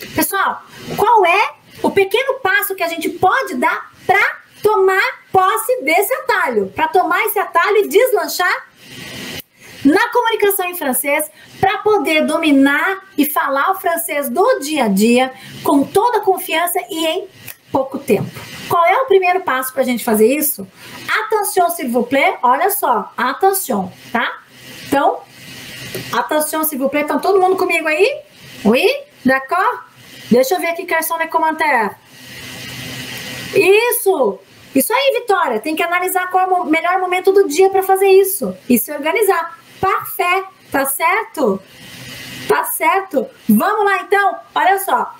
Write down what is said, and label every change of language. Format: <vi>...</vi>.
<pt>Pessoal, qual é o pequeno passo que a gente pode dar para tomar posse desse atalho? Para tomar esse atalho e deslanchar na comunicação em francês, para poder dominar e falar o francês do dia a dia com toda confiança e em pouco tempo. Qual é o primeiro passo para a gente fazer isso?</pt> <fr>Attention, s'il vous plaît.</fr> <pt>Olha só,</pt> <fr>attention, tá? Então, attention, s'il vous plaît.</fr> <pt>Então, todo mundo comigo aí?</pt> <fr>Oui? D'accord?</fr> <pt>Deixa eu ver aqui, garçom,</pt> <fr>les commentaires.</fr> <pt>Isso! Isso aí, Vitória. Tem que analisar qual é o melhor momento do dia para fazer isso. E se organizar. Parfait! Tá certo? Tá certo? Vamos lá, então. Olha só.</pt>